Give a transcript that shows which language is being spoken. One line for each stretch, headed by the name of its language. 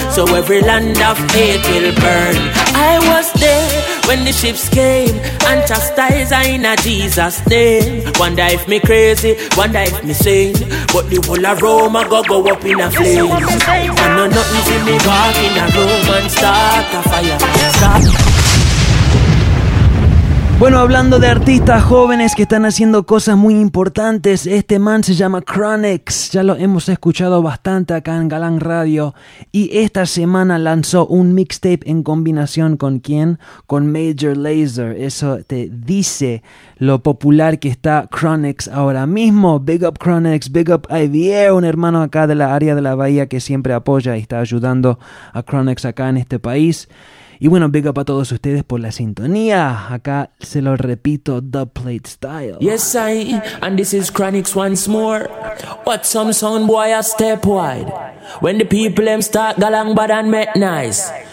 English: So every land of hate will burn. I was there when the ships came and chastise in a Jesus name. Wonder if me crazy, wonder if me sane. But the whole of Rome go go up in a flame. I know nothing to me back in a room and start a fire. Stop.
Spanish: Bueno, hablando de artistas jóvenes que están haciendo cosas muy importantes, este man se llama Chronix, ya lo hemos escuchado bastante acá en Galán Radio, y esta semana lanzó un mixtape en combinación ¿con quién? Con Major Lazer. Eso te dice lo popular que está Chronix ahora mismo.
English: Big up Chronix, big up Ivier,
Spanish: un hermano acá de la área de la Bahía que siempre apoya y está ayudando a Chronix acá en este país. Y bueno,
English: big up
Spanish: a todos ustedes por la sintonía. Acá se lo repito, Dub Plate Style.
English: Yes, I, and this is Chronix once more. What some sound boy a step wide. When the people them start galang bad and make nice.